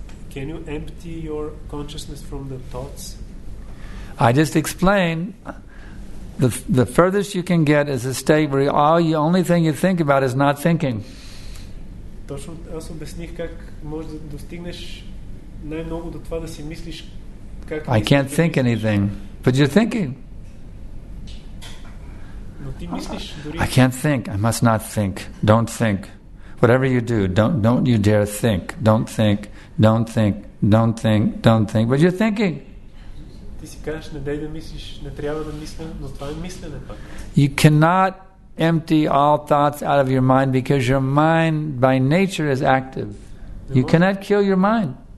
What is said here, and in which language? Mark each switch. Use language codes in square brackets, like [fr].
[en] Can you empty your consciousness from the thoughts? I just explained the furthest you can get is a state where all the only thing you think about is not thinking. [bg] Точно аз обясних как можеш да достигнеш най-много до това да си мислиш как [en] I can't think anything, but you're thinking. [bg] Но ти мислиш, [en] I can't think. I must not think. Don't think. Whatever you do, don't you dare think. Don't think. Don't think. Don't think. Don't think. But you're thinking. [bg] Ти си казваш, не дей да мислиш, не трябва да мисля, но това е мислене пак. [en] You cannot empty all thoughts out of your mind because your mind by nature is active. You cannot kill your mind.